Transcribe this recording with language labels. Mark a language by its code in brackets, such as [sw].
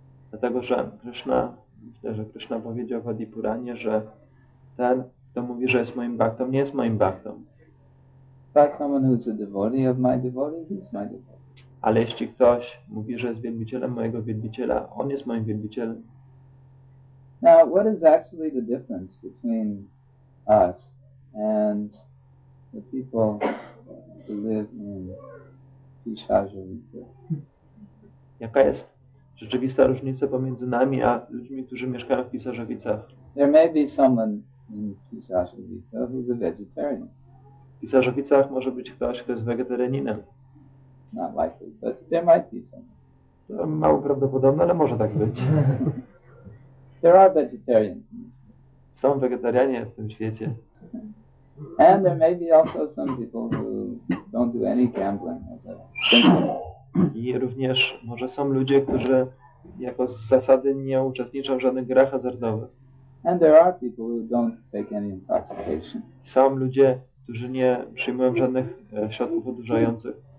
[pl] Dlatego, że Krishna, myślę, że Krishna powiedział w Adi Puranie, że ten, kto mówi, że jest moim bhaktą, nie jest moim bhaktą. [en] But someone who's a devotee of my devotee, he's my devotee. [pl] Ale jeśli ktoś mówi, że jest wielbicielem mojego wielbiciela, on jest moim wielbicielem. [en] Now, what is actually the difference between us and the people who live in Pishajavita? [pl] Jaka jest rzeczywista różnica pomiędzy nami a ludźmi, którzy mieszkają w Pishajavitach? [en] There may be someone in Pishajavita who's a vegetarian. [pl] W Pishajavitach może być ktoś, kto jest wegetarianinem. [en] Not likely, but there might be someone. [pl] To mało prawdopodobne, ale może tak być. [en] There are vegetarians in this world. [pl] Są wegetarianie w tym świecie. [en] And there may be also some people who don't do any gambling as a thing. [pl] I również może są ludzie, którzy jako z zasady nie uczestniczą w żadnych grach hazardowych. [en] And there are people who don't take any intoxication. [pl] Są ludzie, którzy nie przyjmują żadnych środków odurzających.